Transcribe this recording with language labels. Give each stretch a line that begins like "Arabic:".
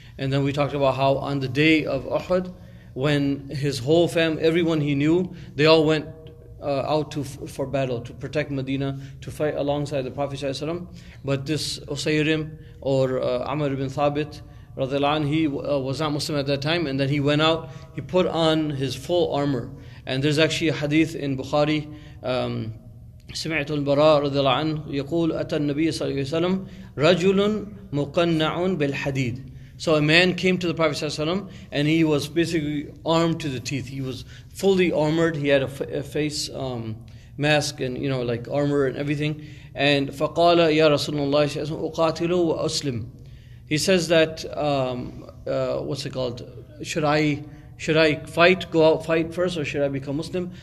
English: And then we talked about how on the day of Uhud, when his whole family, everyone he knew, they all went out for battle, to protect Medina, to fight alongside the Prophet ﷺ. But this Usayrim, or Amr ibn Thabit, he was not Muslim at that time, and then he went out, he put on his full armor. And there's actually a hadith in Bukhari,
Arabic: سمعت البراء رضي الله عنه يقول أتى النبي صلى الله عليه وسلم رجل مقنع بالحديد.
English: So a man came to the Prophet ﷺ and he was basically armed to the teeth. He was fully armored. He had a face mask and, you know, like armor and everything. And
Arabic: فَقَالَ يَا رَسُولُ اللَّهِ أُقَاتِلُ وَأُسْلِمُ.
English: He says that, what's it called? Should I fight, go out fight first, or should I become Muslim?